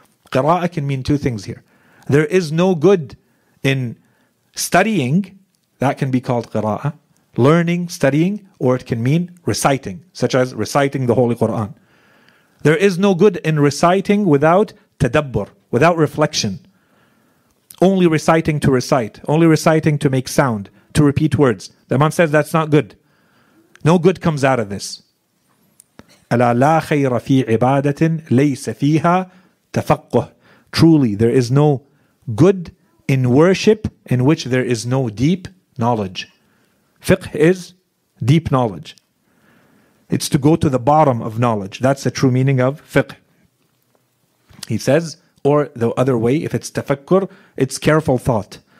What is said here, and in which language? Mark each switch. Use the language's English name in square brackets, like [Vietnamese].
[English] Qira'a can mean two things here. There is no good in studying, that can be called qira'a, learning, studying, or it can mean reciting, such as reciting the Holy Quran. There is no good in reciting without tadabbur, without reflection. Only reciting to recite, only reciting to make sound, to repeat words. The Imam says that's not good. No good comes out of this. [Arabic] ألا لا خير في عبادة ليس فيها تفقه. [English] Truly, there is no good in worship in which there is no deep knowledge. Fiqh is deep knowledge. It's to go to the bottom of knowledge. That's the true meaning of fiqh. He says, or the other way, if it's tafakkur, it's careful thought.